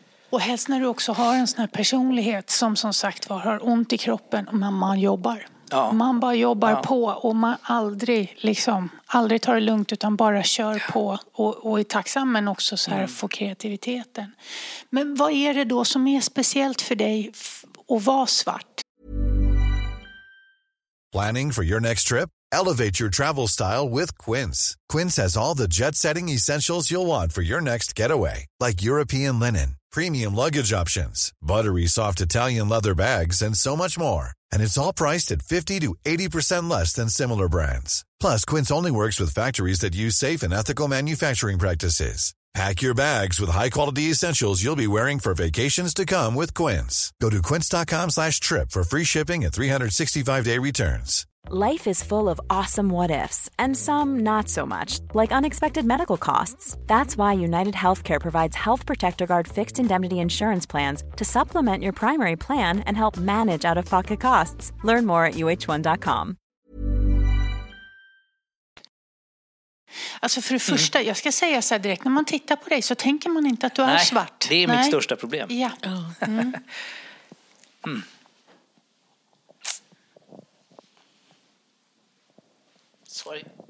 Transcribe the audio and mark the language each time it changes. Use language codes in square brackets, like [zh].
[sv] Och helst när du också har en sån här personlighet som sagt var, har ont i kroppen, men man jobbar. Ja. Man bara jobbar på och man aldrig liksom, aldrig tar det lugnt utan bara kör på och är tacksam, men också så här får kreativiteten. Men vad är det då som är speciellt för dig att vara svart? [en] Planning for your next trip? Elevate your travel style with Quince. Quince has all the jet-setting essentials you'll want for your next getaway, like European linen, premium luggage options, buttery soft Italian leather bags, and so much more. And it's all priced at 50 to 80% less than similar brands. Plus, Quince only works with factories that use safe and ethical manufacturing practices. Pack your bags with high-quality essentials you'll be wearing for vacations to come with Quince. Go to quince.com/trip for free shipping and 365-day returns. Life is full of awesome what-ifs, and some not so much, like unexpected medical costs. That's why UnitedHealthcare provides Health Protector Guard fixed indemnity insurance plans to supplement your primary plan and help manage out-of-pocket costs. Learn more at uh1.com. [sv] Alltså för det första, jag ska säga så här direkt, när man tittar på dig så tänker man inte att du är svart. Det är mitt största problem. Ja. [en] Sorry.